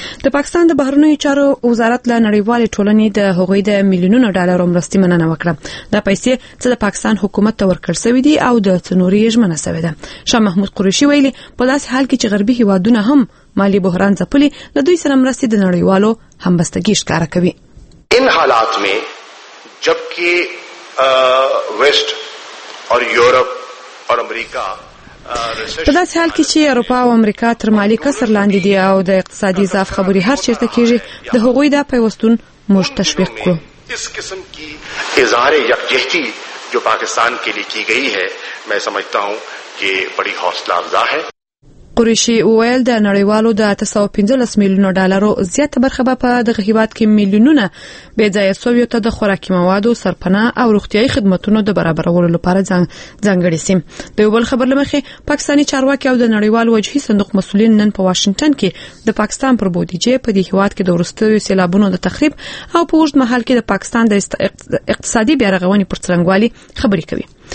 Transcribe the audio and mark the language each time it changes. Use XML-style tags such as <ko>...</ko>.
<ps>د پاکستان د بهرنیو چارو وزارت له نړیوالې ټولنې د هغوی د میلیونونو ډالرو مرستې مننه وکړه. دا پیسې چې د پاکستان حکومت ته ورکړ شوي دي او د تنوري ژمنه شوی ده. شاه محمود قریشي ویلي په داسې حال کې چې غربي هیوادونه هم مالی بحران ځپلي، له دوی سره مرستې د نړیوالو همبستګي ښکاره کوي.</ps> <ur>ان حالات می جبکی ویسٹ اور یورپ اور امریکہ</ur> <ps>په داسې حال کې چې اروپا او امریکا تر مالی کسر لاندې دي او د اقتصادي ضعف خبرې هر چیرته کېږي، د هغوی دا پیوستون موږ تشویق کړو.</ps> <ur>اس قسم کی اظهار یکجهتی جو پاکستان کے لیے کی گئی ہے میں سمجھتا ہوں کہ بڑی حوصلہ افزا ہے.</ur> <ps>قریشی وویل د نړیوالو د 115 میلیونو ډالرو زیات برخه په دغه هیواد کې میلیونونه بې ځایه سویو ته د خوراکي موادو، سرپناه او روغتیايي خدمتونو د برابرولو لپاره ځانګړي سیم. د یو بل خبر له مخې پاکستانی چارواکي او د نړیوال وجهي صندوق مسؤلین نن په واشنگټن کې د پاکستان پر بودیجې په دې هیواد کې د وروستیو سیلابونو د تخریب او په اوږد مهال کې د پاکستان د اقتصادي بیا رغونې پر څرنګوالي خبرې کوي.</ps>